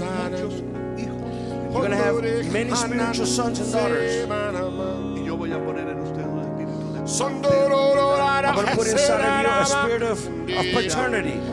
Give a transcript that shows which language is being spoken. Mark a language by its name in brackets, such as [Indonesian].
[English] You're going to have many spiritual sons and daughters. [Spanish] Y yo voy a poner en usted un espíritu de poder. [English] I'm going to put inside of you a spirit of paternity.